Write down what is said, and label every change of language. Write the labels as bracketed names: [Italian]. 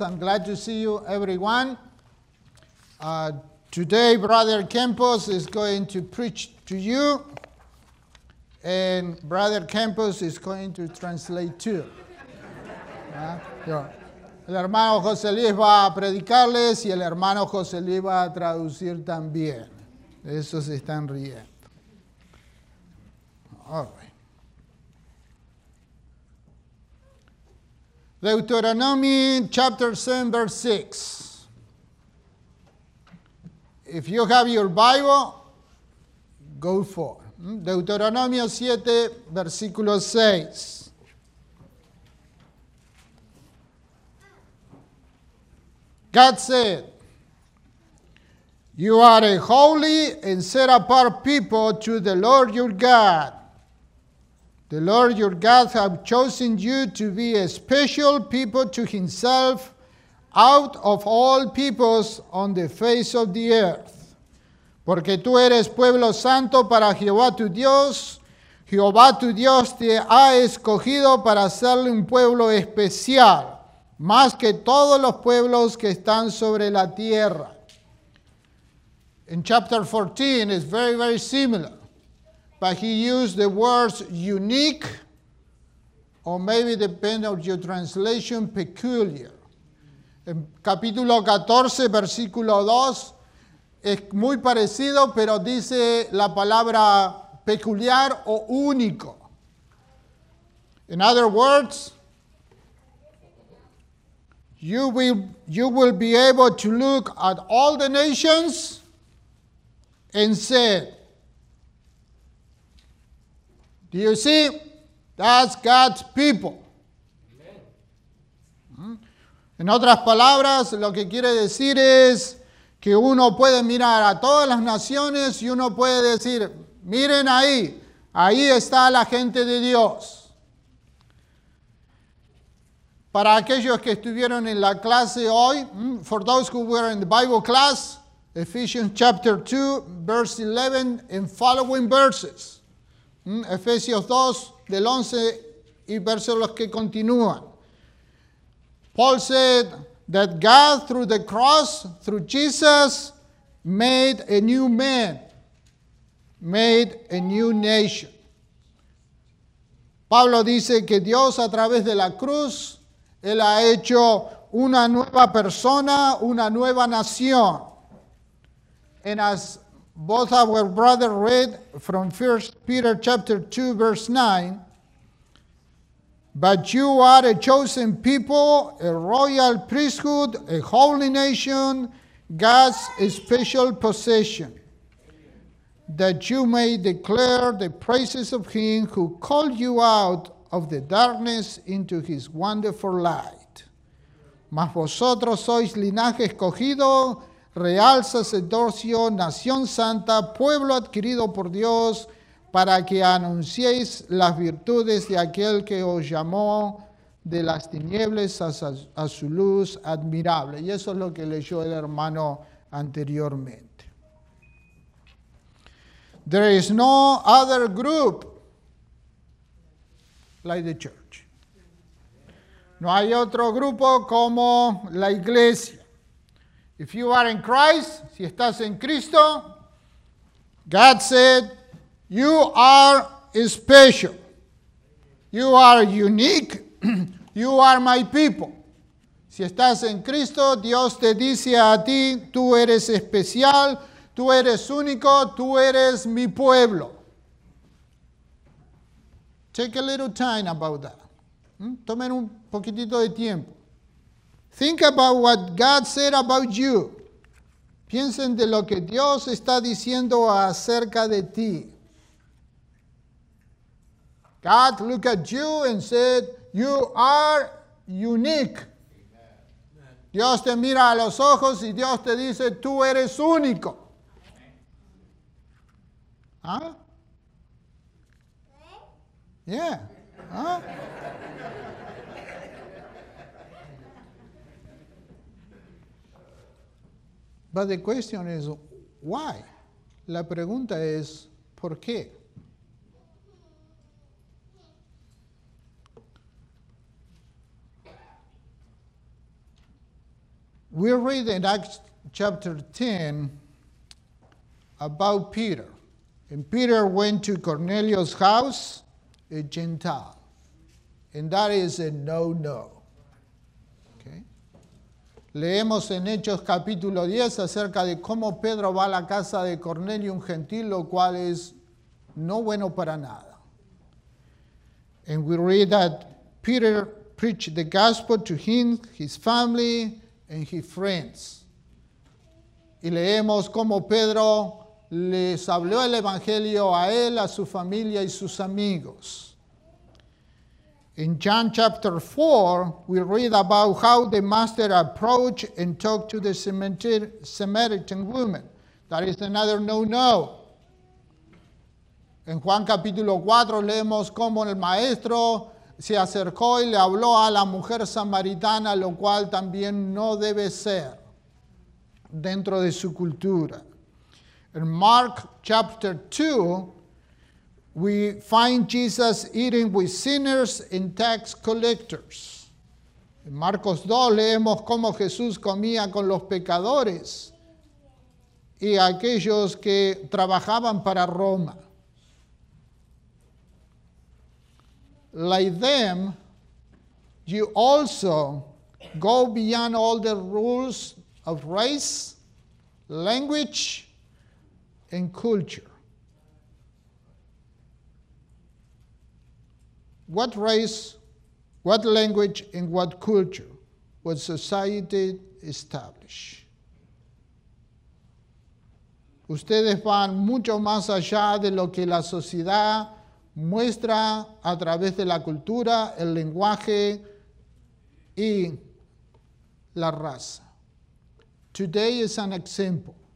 [English] I'm glad to see you, everyone. Today, Brother Campos is going to preach to you, and Brother Campos is going to translate too. [Spanish] El hermano José Luis va a predicarles y el hermano José Luis va a traducir también. Eso se están riendo. [English] All right. Deuteronomy chapter 7, verse 6. If you have your Bible, go for it. [Spanish] Deuteronomy 7, versículo 6. [English] God said, you are a holy and set apart people to the Lord your God. The Lord your God has chosen you to be a special people to himself out of all peoples on the face of the earth. [Spanish] Porque tú eres pueblo santo para Jehová tu Dios. Jehová tu Dios te ha escogido para hacerle un pueblo especial, más que todos los pueblos que están sobre la tierra. [English] In chapter 14, it's very, very similar. But he used the words unique, or maybe depending on your translation, peculiar. [Spanish] En capítulo 14, versículo 2, es muy parecido, pero dice la palabra peculiar o único. [English] In other words, you will be able to look at all the nations and said, do you see? That's God's people. Amen. [Spanish] En otras palabras, lo que quiere decir es que uno puede mirar a todas las naciones y uno puede decir, miren ahí, ahí está la gente de Dios. Para aquellos que estuvieron en la clase hoy, [English] for those who were in the Bible class, Ephesians chapter 2, verse 11, and following verses. [Spanish] Ephesians 2, del 11, y versos los que continúan. [English] Paul said that God, through the cross, through Jesus, made a new man, made a new nation. [Spanish] Pablo dice que Dios, a través de la cruz, él ha hecho una nueva persona, una nueva nación. [English] And as both of our brothers read from 1 Peter chapter 2, verse 9, but you are a chosen people, a royal priesthood, a holy nation, God's special possession, that you may declare the praises of him who called you out of the darkness into his wonderful light. [Spanish] Mas vosotros sois linaje escogido, real sacerdocio, nación santa, pueblo adquirido por Dios, para que anunciéis las virtudes de aquel que os llamó de las tinieblas a su luz admirable. Y eso es lo que leyó el hermano anteriormente. [English] There is no other group like the church. [Spanish] No hay otro grupo como la iglesia. [English] If you are in Christ, [Spanish] si estás en Cristo, [English] God said, you are special. You are unique. You are my people. [Spanish] Si estás en Cristo, Dios te dice a ti, tú eres especial, tú eres único, tú eres mi pueblo. [English] Take a little time about that. [Spanish] Tomen un poquitito de tiempo. [English] Think about what God said about you. [Spanish] Piensen de lo que Dios está diciendo acerca de ti. [English] God looked at you and said, you are unique. Amen. [Spanish] Dios te mira a los ojos y Dios te dice, tú eres único. ¿Ah? Yeah. ¿Ah? [English] But the question is, why? [Spanish] La pregunta es, ¿por qué? [English] We read in Acts chapter 10 about Peter. And Peter went to Cornelius' house, a Gentile. And that is a no-no. Okay. [Spanish] Leemos en Hechos capítulo 10 acerca de cómo Pedro va a la casa de Cornelio, un gentil, lo cual es no bueno para nada. [English] And we read that Peter preached the gospel to him, his family, and his friends. [Spanish] Y leemos cómo Pedro les habló el evangelio a él, a su familia y sus amigos. [English] In John chapter 4, we read about how the master approached and talked to the Samaritan woman. That is another no-no. [Spanish] En Juan capítulo 4, leemos cómo el maestro se acercó y le habló a la mujer samaritana, lo cual también no debe ser dentro de su cultura. [English] In Mark chapter 2, we find Jesus eating with sinners and tax collectors. [Spanish] En Marcos 2 leemos cómo Jesús comía con los pecadores y aquellos que trabajaban para Roma. [English] Like them, you also go beyond all the rules of race, language, and culture. What race, what language, and what culture would society establish? [Spanish] Ustedes van mucho más allá de lo que la sociedad muestra a través de la cultura, el lenguaje y la raza. [English] Today is an example.